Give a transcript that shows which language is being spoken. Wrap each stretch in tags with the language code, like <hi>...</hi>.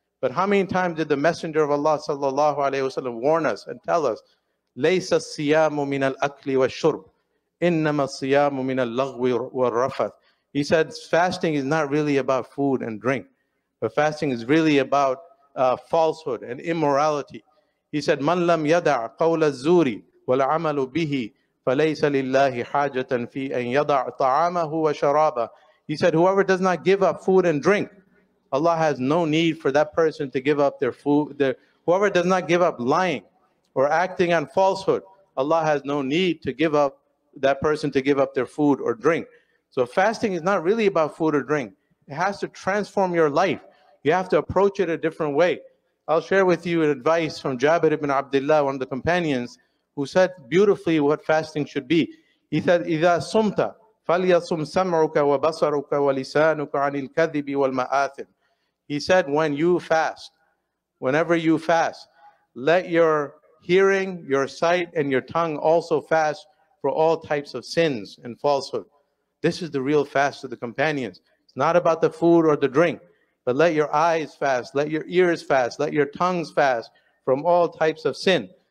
<en>But how many times did the Messenger of Allah sallallahu alayhi wasallam warn us and tell us,</en> <ar>لَيْسَ السِّيَامُ مِنَ الْأَكْلِ وَالشُّرْبِ إِنَّمَا السِّيَامُ مِنَ اللَّغْوِ وَالرَّفَثِ.</ar> <en>He said, fasting is not really about food and drink, but fasting is really about falsehood and immorality. He said,</en> <ar>مَنْ لَمْ يَدَعْ قَوْلَ الزُّورِ وَالْعَمَلُ بِهِ فَلَيْسَ لِلَّهِ حَاجَةً فِي أَنْ يَدَعْ طَعَامَهُ وَشَرَابَهُ.</ar> <en>He said, whoever does not give up food and drink, Allah has no need for that person to give up their food. Whoever does not give up lying or acting on falsehood, Allah has no need to give up that person to give up their food or drink. So fasting is not really about food or drink. It has to transform your life. You have to approach it a different way. I'll share with you an advice from Jabir ibn Abdullah, one of the companions, who said beautifully what fasting should be. He said,</en> <ar>إِذَا سُمْتَ فَلْيَصُمْ سَمْعُكَ وَبَصَرُكَ وَلِسَانُكَ عَنِ الْكَذِبِ وَالْمَآثِمِ.</ar> <en>He said, whenever you fast, let your hearing, your sight, and your tongue also fast for all types of sins and falsehood. This is the real fast of the companions. It's not about the food or the drink, but let your eyes fast, let your ears fast, let your tongues fast from all types of sin.</en>